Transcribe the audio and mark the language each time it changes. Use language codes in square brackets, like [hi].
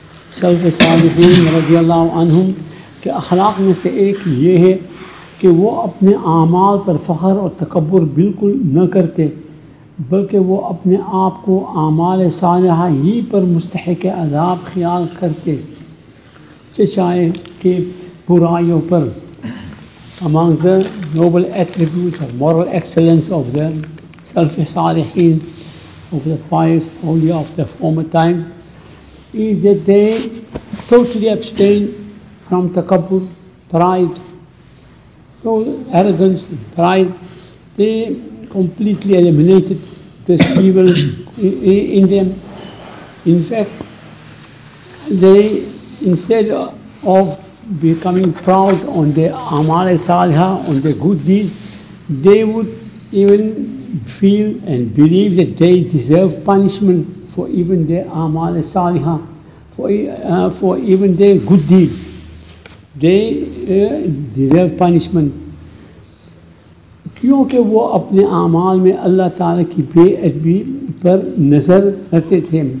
[ur] سلف صالحین رضی اللہ عنہم کے اخلاق میں سے ایک یہ ہے کہ وہ اپنے اعمال پر فخر اور تکبر بالکل نہ کرتے، بلکہ وہ اپنے آپ کو اعمال صالحہ ہی پر مستحق عذاب خیال کرتے، چاہے کہ برائیوں پر. [en] Among the noble attributes or moral excellence of the سلف صالحین of the pious only of the former time is that they totally abstain from takabbur, pride, so arrogance, pride. They completely eliminated this evil in them. In fact, they, instead of becoming proud on their amal-e-saliha, on their good deeds, they would even feel and believe that they deserve punishment for even their amal-e-saliha, for even their good deeds. They deserve punishment. [ur] کیونکہ وہ اپنے اعمال میں اللہ تعالیٰ کی بے ادبی پر نظر رکھتے تھے.